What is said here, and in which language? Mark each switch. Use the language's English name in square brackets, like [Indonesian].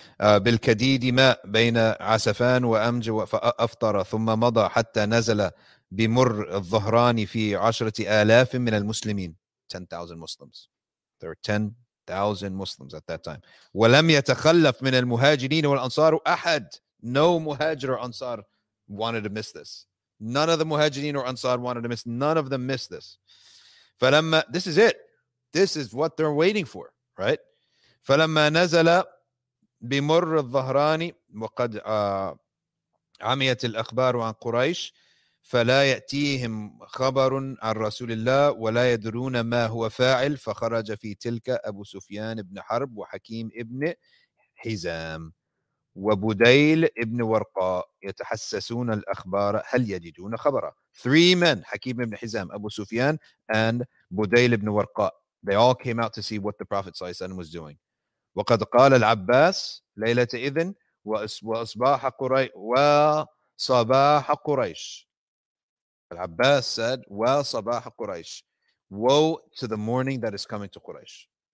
[Arabic] بالكديد ماء بين عسفان وأمج فأفطر ثم مضى حتى نزل بمر الظهران في عشرة آلاف من المسلمين. [English] 10,000 Muslims. There were 10,000 Muslims at that time. [Arabic] ولم يتخلف من المهاجرين والأنصار أحد. [English] No Muhajir or Ansar wanted to miss this. None of the Muhajirin or Ansar wanted to miss. None of them missed this. فلما, this is it. This is what they're waiting for, right? [Arabic] فلما نزل بمر الظهران وقد عميت الأخبار عن قريش فلا يأتيهم خبر عن رسول الله ولا يدرون ما هو فاعل فخرج في تلك أبو سفيان بن حرب وحكيم ابن حزام وبديل ابن ورقاء يتحسسون الأخبار هل يجدون خبرا. [English] Three men, حكيم ابن حزام, أبو سفيان, and بديل ابن ورقاء. They all came out to see what the Prophet صلى الله عليه وسلم was doing. [Arabic] وقد قال العباس ليلة إذن وأصباح قريش وصباح قريش. العباس [English] said [Arabic] وصباح قريش. [English] Woe to the morning that is coming to Quraysh.